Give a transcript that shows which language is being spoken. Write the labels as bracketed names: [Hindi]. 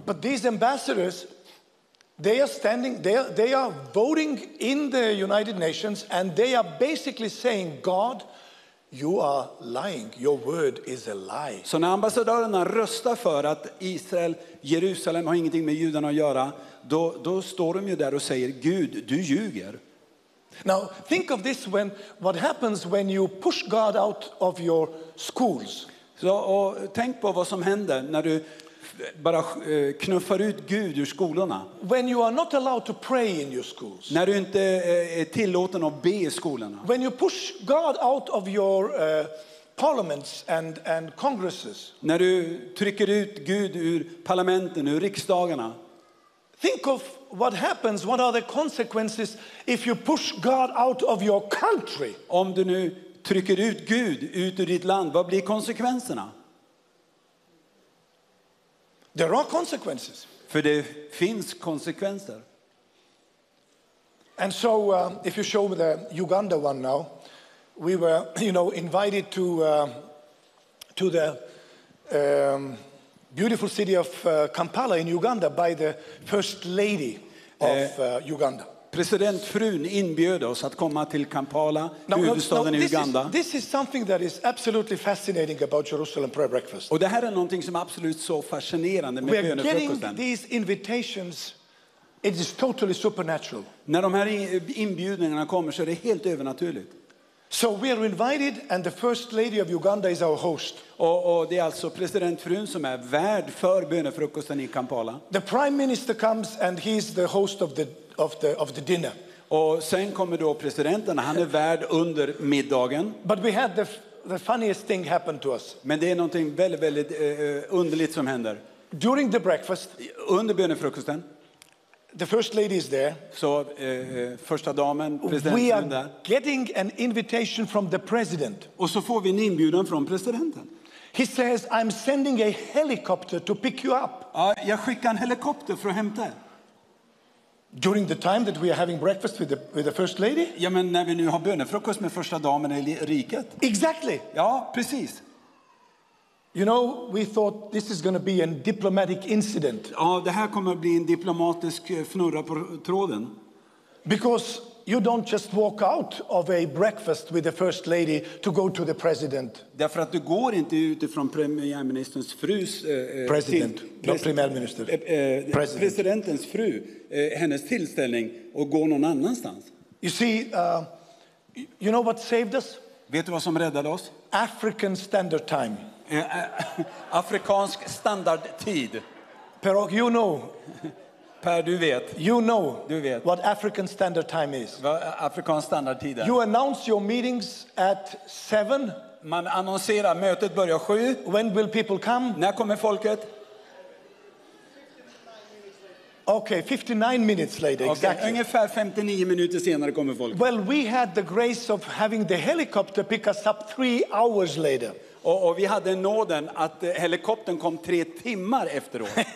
[English] But these ambassadors, they are standing, they are voting in the United Nations, and they are basically saying, God, you are lying. Your word is a lie. [Swedish] Så när ambassadörerna röstar för att Israel, Jerusalem har ingenting med judarna att göra, då står de ju där och säger, Gud, du ljuger. [English] Now, think of this, when what happens when you push God out of your schools. [Swedish] Så tänk på vad som händer när du bara knuffar ut Gud ur skolorna. [English] When you are not allowed to pray in your schools. [Swedish] När du inte är tillåten att be i skolorna. [English] When you push God out of your parliaments and congresses. [Swedish] När du trycker ut Gud ur parlamenten, ur riksdagarna. [English] Think of what happens, what are the consequences if you push God out of your country. [Swedish] Om du nu trycker ut Gud ut ur ditt land, vad blir konsekvenserna? [English] There are consequences. [Swedish] För det finns konsekvenser. [English] And so if you show the Uganda one now, we were, you know, invited to the beautiful city of Kampala in Uganda by the first lady of Uganda. [Swedish] Presidentfrun inbjöd oss att komma till Kampala, huvudstaden i Uganda. [English] This is something that is absolutely fascinating about Jerusalem prayer breakfast. [Swedish] Och det här är någonting som är absolut så fascinerande med bönefrukosten. [English] We're getting these invitations. It is totally supernatural. [Swedish] När de här inbjudningarna kommer så är det helt övernaturligt. [English] So we are invited and the first lady of Uganda is our host. [Swedish] Och det är alltså presidentfrun som är värd för bönefrukosten i Kampala. [English] The prime minister comes and he is the host of the dinner. [Swedish] Och sen kommer då presidenten, han är värd under middagen. [English] But we had the funniest thing happen to us. [Swedish] Men det är någonting väldigt väldigt underligt som händer. [English] During the breakfast, [Swedish] under bönefrukosten, [English] the first lady is there. [Swedish] Så första damen, presidenten. [English] We are getting an invitation from the president. [Swedish] Och så får vi en inbjudan från presidenten. [English] He says, "I'm sending a helicopter to pick you up." [Swedish] Jag skickar en helikopter för att hämta. [English] During the time that we are having breakfast with the first lady? [Swedish] Ja, men när vi nu har bönefrukost med första damen i riket. [English] Exactly. [Swedish] Ja, precis. [English] You know, we thought this is going to be a diplomatic incident. [Swedish] Ja, det här kommer att bli en diplomatisk fnurra på tråden. [English] Because you don't just walk out of a breakfast with the first lady to go to the president. [Swedish] Därför att du går inte utifrån premiärministerns frus [English] president, not premiärminister. President. [Swedish] Presidentens fru, hennes tillställning och går någon annanstans. [English] You see, you know what saved us? [Swedish] Vet du vad som räddade oss? [English] African standard time. [Swedish] Afrikansk standardtid. [English] Per, you know. [Swedish] Per, du vet. [English] You know. [Swedish] Du vet. [English] What African standard time is? [Swedish] Vad afrikansk standardtid är. [English] You announce your meetings at 7. [Swedish] Man annonserar mötet börjar 7. [English] When will people come? [Swedish] När kommer folket? [English] Okay, 59 minutes later. Okay, exactly. [Swedish] Ungefär 59 minuter senare kommer folket. [English] Well, we had the grace of having the helicopter pick us up 3 hours later. [Swedish] Och vi hade nåden att helikoptern kom 3 timmar efteråt.